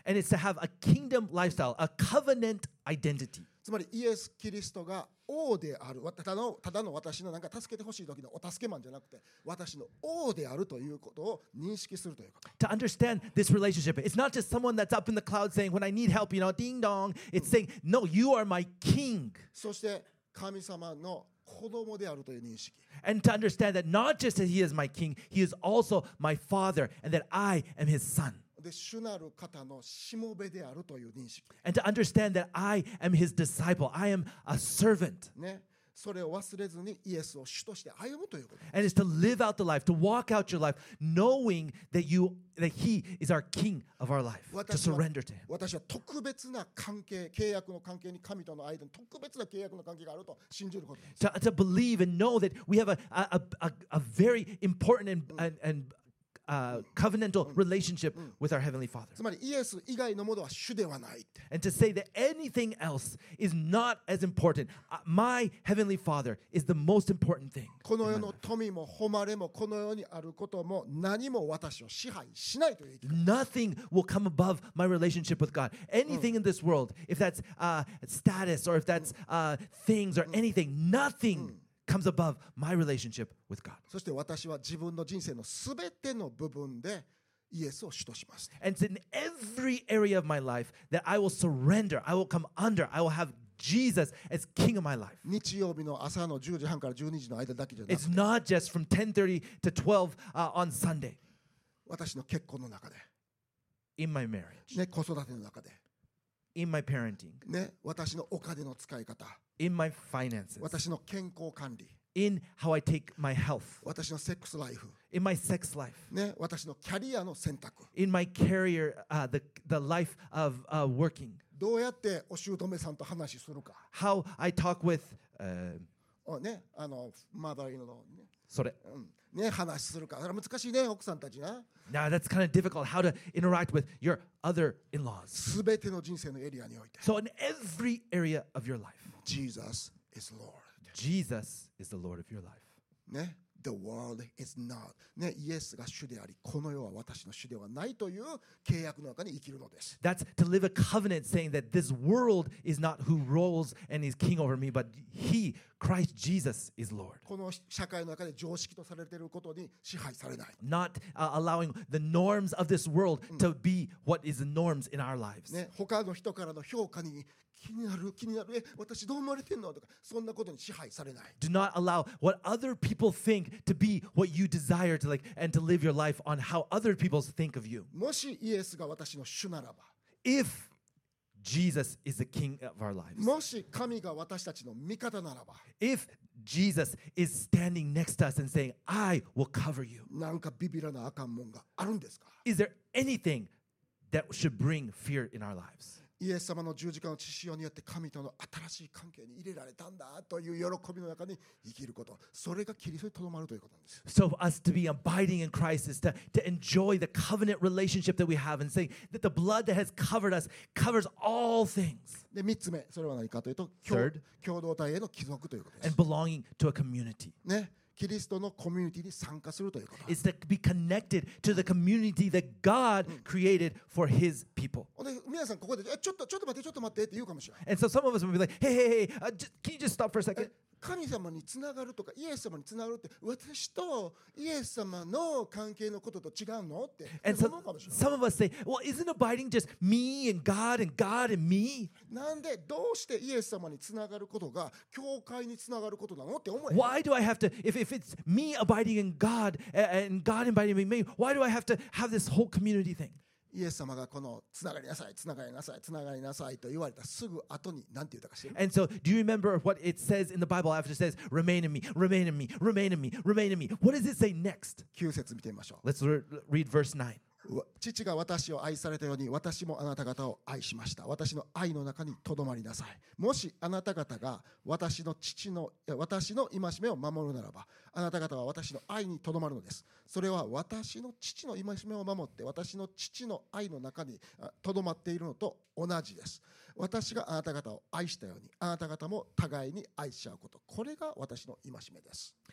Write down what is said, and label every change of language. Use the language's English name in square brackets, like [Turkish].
[English] And it's to have a kingdom lifestyle, a covenant identity. [Japanese] つまりイエス・キリストが王である、ただの私のなんか助けてほしい時のお助けマンじゃなくて、私の王であるということを認識するということ。 [English] To understand this relationship, it's not just someone that's up in the cloud saying, when I need help, you know, ding dong. It's saying, no, you are my king. [Japanese] そして神様の子供であるという認識。 [English] And to understand that not just that he is my king, he is also my father, and that I am his son. [Japanese] で主なる方のしもべであるという認識。 [English] And to understand that I am his disciple, I am a servant. [Japanese] ね、それを忘れずにイエスを主として歩むということ。 [English] And it's to live out the life, to walk out your life, knowing that you, that he is our king of our life, to surrender to him. [Japanese] 私は特別な関係、契約の関係に神との間に特別な契約の関係があると信じることです。 [English] To believe and know that we have a very important and covenantal relationship with our Heavenly Father. [Japanese] つまりイエス以外のものは主ではない。 [English] And to say that anything else is not as important. My Heavenly Father is the most important thing. [Japanese] この世の富も誉れもこの世にあることも何も私を支配しないという。 [English] Nothing will come above my relationship with God. Anything in this world, if that's status or if that's things or anything, nothing comes above my relationship with God. [Japanese] そして私は自分の人生のすべての部分でイエスを主とします。 [English] And it's in every area of my life that I will surrender, I will come under, I will have Jesus as king of my life. [Japanese] 日曜日の朝の10時半から12時の間だけじゃなくて、 [English] It's not just from 10:30 to 12 on Sunday. [Japanese] 私の結婚の中で、 [English] In my marriage. [Japanese] ね、子育ての中で、 [English] In my parenting. [Japanese] ね、私のお金の使い方、 [English] In my finances. [Japanese] 私の健康管理。 [English] In how I take my health. [Japanese] 私のセックスライフ。 [English] In my sex life. [Japanese] ね、私のキャリアの選択。 [English] In my career, the life of working. [Japanese] どうやってお姑さんと話するか。 [English] How I talk with [Japanese] ね、あの、mother-in-law ね。それ。ね、話するか。難しいね、奥さんたちな。 [English] Now that's kind of difficult. How to interact with your other-in-laws. [Japanese] すべての人生のエリアにおいて。 [English] So in every area of your life. Jesus is Lord. Jesus is the Lord of your life. ね、the world is not. [Japanese] ね、イエスが主であり、この世は私の主ではないという契約の中に生きるのです。 [English] That's to live a covenant saying that this world is not who rules and is king over me, but he, Christ Jesus, is Lord. [Japanese] この社会の中で常識とされていることに支配されない。 [English] Not allowing the norms of this world to be what is the norms in our lives. [Japanese] ね、他の人からの評価に気になる気になる、え、私どう思われてんのとか、そんなことに支配されない。 [English] Do not allow what other people think to be what you desire to like and to live your life on how other people think of you. [Japanese] もしイエスが私の主ならば、 [English] If Jesus is the king of our lives. [Japanese] もし神が私たちの味方ならば、 [English] If Jesus is standing next to us and saying, I will cover you. [Japanese] なんかビビらなあかんもんがあるんですか。 [English] Is there anything that should bring fear in our lives? [Japanese] イエス様の十字架の血潮によって神との新しい関係に入れられたんだという喜びの中に生きること、それがキリストにとどまるということなんです。 [English] So for us to be abiding in Christ is to enjoy the covenant relationship that we have and say that the blood that has covered us covers all things. [Japanese] で、三つ目、それは何かというと、 [English] Third, [Japanese] 共同体への帰属ということです。 [English] And belonging to a community. [Japanese] ね、キリストのコミュニティに参加するということ。 [English] It's to be connected to the community that God created for His people. [Japanese] 皆さんここで、ちょっと待ってって言うかもしれない。 [English] And so some of us will be like, hey, can you just stop for a second? [Japanese] 神様につながるとかイエス様につながるって私とイエス様の関係のことと違うのって [English] And so, some of us say, well, isn't abiding just me and God and God and me? [Japanese] なんでどうしてイエス様につながることが教会につながることなのって思え [English] Why do I have to, if it's me abiding in God and God abiding in me, why do I have to have this whole community thing? [Japanese] イエス様がこのつながりなさいつながりなさいつながりなさいと言われたすぐ後に何て言ったか知る [English] And so do you remember what it says in the Bible after it says remain in me, remain in me, remain in me, remain in me What does it say next? [Japanese] 9節見てみましょう [English] Let's read verse 9 [Japanese] 父が私を愛されたように私もあなた方を愛しました私の愛の中にとどまりなさいもしあなた方が私の父の私の戒めを守るならばあなた方は私の愛にとどまるのですそれは私の父の戒めを守って私の父の愛の中にとどまっているのと同じです私があなた方を愛したようにあなた方も互いに愛し合うことこれが私の戒めです